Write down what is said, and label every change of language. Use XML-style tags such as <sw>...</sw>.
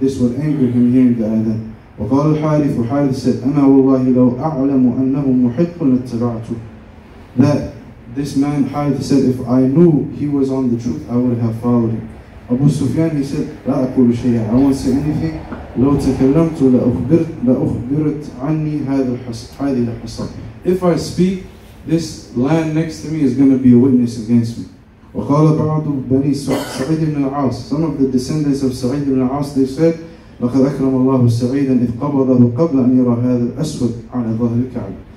<en>This would anger him hearing the adhan.</en> <ar>وقال الحارث, وحارث said, أَنَا وَاللَّهِ لَوْ أَعْلَمُ أَنَّهُ مُحِقٌ لَاتَّبَعْتُ.</ar> <en>That this man, Harith, said, if I knew he was on the truth, I would have followed him. Abu Sufyan, he said,</en> <ar>لا أقول شيئا.</ar> <en>I won't say anything.</en> <ar>لو تكلمت لأخبرت عني هذه الحصان.</ar> <en>If I speak, this land next to me is going to be a witness against me.</en> <ar>وقال بعض بني سعيد بن العاص,</ar> <en>some of the descendants of</en> <ar>سعيد بن العاص, they said, لقد أكرم الله سعيدا إذ قبضه قبل أن يرى هذا الأسود على ظهر الكعبة.</ar>